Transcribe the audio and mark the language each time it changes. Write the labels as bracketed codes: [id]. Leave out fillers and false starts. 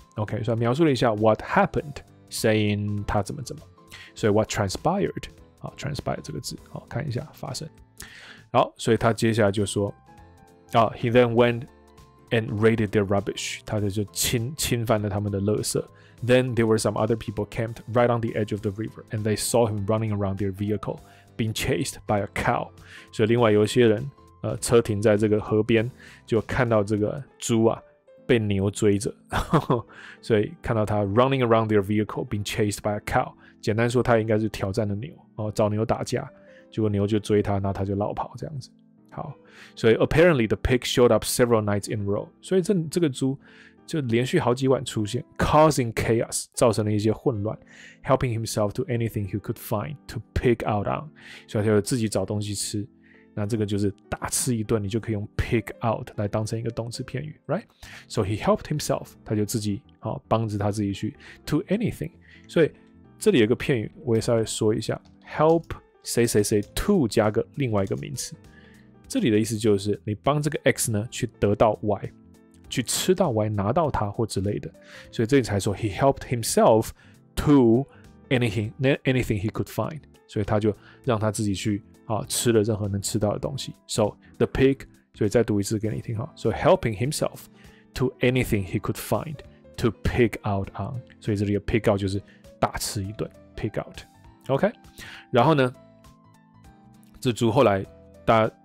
[zh] OK， 所以描述了一下 [en] what happenedsaying [zh] 他怎么怎么，所以 [en] what transpired， [zh] 好 transpired 这个字，好看一下发生。好，所以他接下来就说，啊 ， [en] he then went and raided their rubbish， [zh] 他就侵犯了他们的垃圾。 [en] Then there were some other people camped right on the edge of the river， and they saw him running around their vehicle， being chased by a cow。 [zh] 所以另外有些人，车停在这个河边，就看到这个猪啊。被牛追着，所以看到他 [en] running around their vehicle being chased by a cow， [zh] 简单说他应该是挑战的牛、哦、找牛打架，结果牛就追他，那他就落跑这样子。 [en] 好，所以 apparently the pig showed up several nights in a row， [zh] 所以这个猪就连续好几晚出现， [en] causing chaos， [zh] 造成了一些混乱， [en] helping himself to anything he could find to pig out on， [zh] 所以他就自己找东西吃。那这个就是大吃一顿，你就可以用 pick out 来当成一个动词片语， right？ [en] So he helped himself， [zh] 他就自己好帮着他自己去 [en] to anything。 [zh] 所以这里有个片语，我也稍微说一下 ，help 谁谁谁 to 加个另外一个名词。这里的意思就是你帮这个 x 呢去得到 y， 去吃到 y， 拿到它或之类的。所以这里才说 [en] he helped himself to anything he could find。 [zh] 所以他就让他自己去。啊、吃了任何能吃到的东西。 [en] So the pig， [zh] 所以再读一次给你听。 [en] So helping himself to anything he could find to pig out on， [zh] 所以这里的 pig out 就是大吃一顿 pig out。 OK， 然后呢这猪后来大